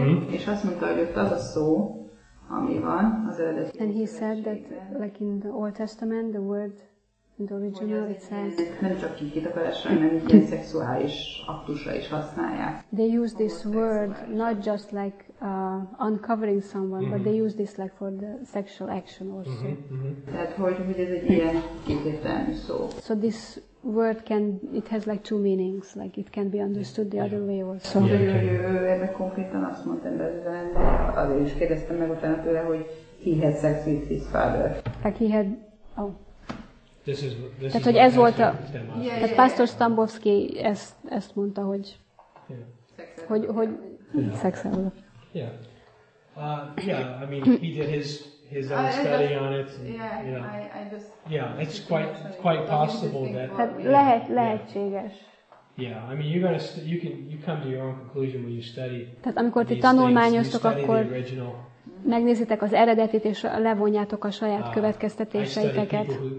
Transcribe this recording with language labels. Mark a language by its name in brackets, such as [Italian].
[Hungarian] És azt mondta, hogy ott az a szó, ami van az eredeti. [English] And he said that, like in the Old Testament, the word in the original it says. [Hungarian] Nem csak kitakarásra, hanem ilyen szexuális aktusra is használják. [English] They use this word not just like uncovering someone, mm-hmm. but they use this like for the sexual action also. [Hungarian] Tehát hogy ez egy ilyen kétértelmű szó. [English] So this word can, it has like two meanings, like it can be understood the other way also. [Hungarian] Ebben konkrétan azt mondtam, de azért is kérdeztem meg utána tőle, hogy [English] he had sex with his father. Like he had, oh. This [Hungarian] tehát, hogy ez volt a, tehát Pásztor Stambulszki ezt mondta, hogy, hogy szexel volt. [English] Yeah, I mean, he did his own study on it. And, yeah, you know. I just it's quite possible that. [Hungarian] Tehát lehet, lehetséges. [English] Yeah, I mean, you come to your own conclusion when you study. [Hungarian] Tehát amikor ti tanulmányoztok, akkor megnézitek az eredetit és levonjátok a saját következtetéseiteket.